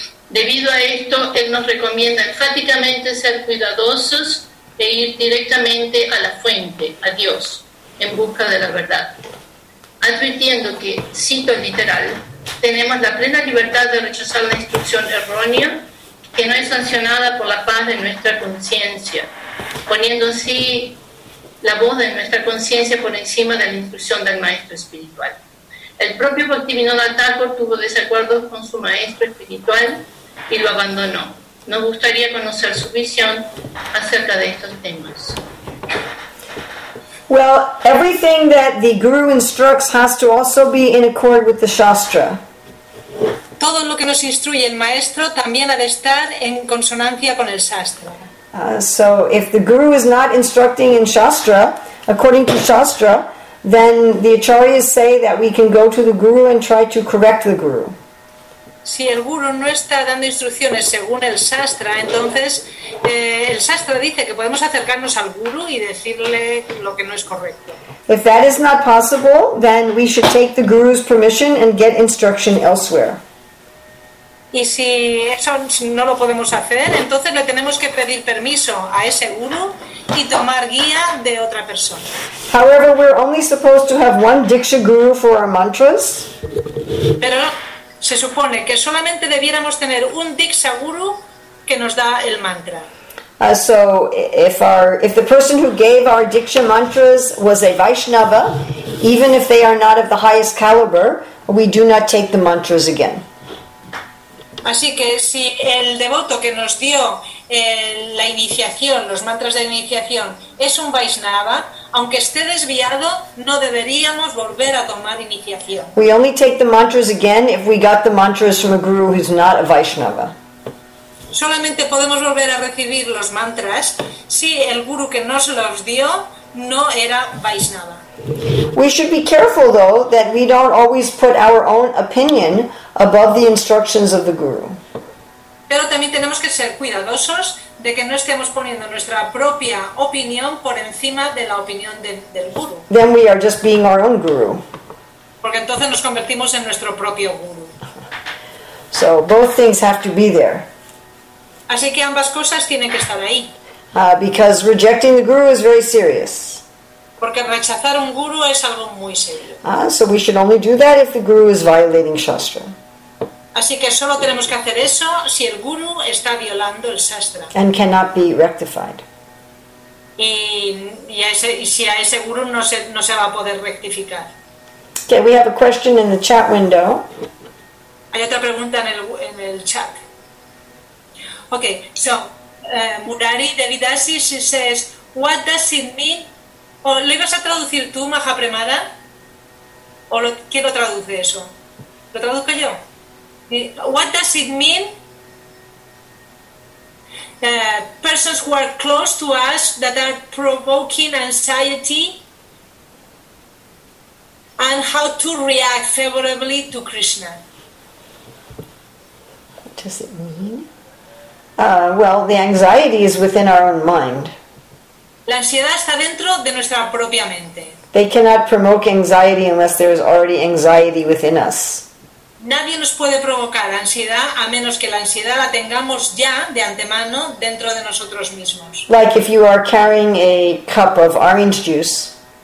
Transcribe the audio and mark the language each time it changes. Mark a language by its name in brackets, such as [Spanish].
[Spanish] Debido a esto, él nos recomienda enfáticamente ser cuidadosos e ir directamente a la fuente, a Dios, en busca de la verdad, advirtiendo que, cito literal, tenemos la plena libertad de rechazar la instrucción errónea que no es sancionada por la paz de nuestra conciencia, poniendo así la voz de nuestra conciencia por encima de la instrucción del maestro espiritual. El propio Bhaktivinoda Thakur tuvo desacuerdos con su maestro espiritual y lo abandonó. Nos gustaría conocer su visión acerca de estos temas. [English] Well, everything that the guru instructs has to also be in accord with the shastra. [Spanish] Todo lo que nos instruye el maestro también ha de estar en consonancia con el shastra. [English] So if the guru is not instructing in shastra, according to shastra, then the acharyas say that we can go to the guru and try to correct the guru. [Spanish] Si el guru no está dando instrucciones según el sastra, entonces el sastra dice que podemos acercarnos al guru y decirle lo que no es correcto. [English] If that is not possible, then we should take the guru's permission and get instruction elsewhere. [Spanish] Y si eso no lo podemos hacer, entonces le tenemos que pedir permiso a ese guru y tomar guía de otra persona. [English] However, we're only supposed to have one diksha guru for our mantras. [Spanish] Pero se supone que solamente debiéramos tener un diksha guru que nos da el mantra. [English] So if the person who gave our diksha mantras was a Vaishnava, even if they are not of the highest caliber, we do not take the mantras again. [Spanish] Así que si el devoto que nos dio la iniciación, los mantras de iniciación, es un Vaishnava, aunque esté desviado, no deberíamos volver a tomar iniciación. [English] We only take the mantras again if we got the mantras from a guru who's not a Vaishnava. [Spanish] Solamente podemos volver a recibir los mantras si el guru que nos los dio no era Vaishnava. [English] We should be careful, though, that we don't always put our own opinion above the instructions of the guru. [Spanish] Pero también tenemos que ser cuidadosos de que no estemos poniendo nuestra propia opinión por encima de la opinión del guru. [English] Then we are just being our own guru. [Spanish] Porque entonces nos convertimos en nuestro propio guru. [English] So both things have to be there. [Spanish] Así que ambas cosas tienen que estar ahí. [English] Because rejecting the guru is very serious. [Spanish] Porque rechazar un guru es algo muy serio. [English] So we should only do that if the guru is violating shastra. [Spanish] Así que solo tenemos que hacer eso si el guru está violando el shastra. [English] And cannot be rectified. [Spanish] Y si a ese guru no se va a poder rectificar. [English] Okay, we have a question in the chat window. [Spanish] Hay otra pregunta en el chat. [English] Okay, so Murari Devidasi says, what does it mean? [Spanish] ¿O lo ibas a traducir tú, Mahapremada? ¿O quién lo traduce eso? ¿Lo traduzco yo? [English] What does it mean? Persons who are close to us that are provoking anxiety and how to react favorably to Krishna. What does it mean? Well, the anxiety is within our own mind. [Spanish] La ansiedad está dentro de nuestra propia mente. [English] They cannot provoke anxiety unless there is already anxiety within us. [Spanish] Nadie nos puede provocar ansiedad a menos que la ansiedad la tengamos ya de antemano dentro de nosotros mismos. [English] Like if you are carrying a cup of orange juice.